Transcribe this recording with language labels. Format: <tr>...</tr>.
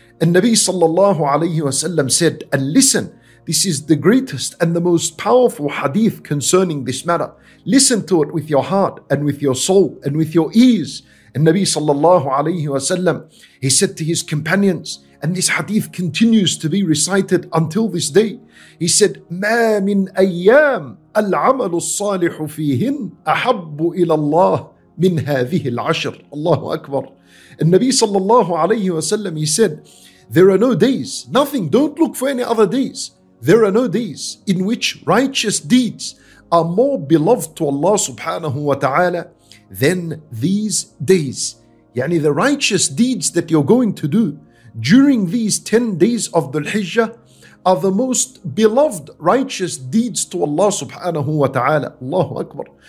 <en>And Nabi sallallahu alayhi wa sallam said, and listen, this is the greatest and the most powerful hadith concerning this matter. Listen to it with your heart and with your soul and with your ears. And Nabi sallallahu alayhi wa sallam, he said to his companions, and this hadith continues to be recited until this day. He said,</en> <ar>مَا مِنْ أَيَّامِ الْعَمَلُ الصَّالِحُ فِيهِنْ أَحَبُّ إِلَى اللَّهِ مِنْ هَذِهِ الْعَشْرِ. Allahu Akbar.</ar> <en>And Nabi sallallahu alayhi wa sallam, he said, there are no days, nothing, don't look for any other days. There are no days in which righteous deeds are more beloved to Allah subhanahu wa ta'ala than these days. Yani the righteous deeds that you're going to do during these 10 days of Dhul Hijjah are the most beloved righteous deeds to Allah subhanahu wa ta'ala. Allahu Akbar.</en>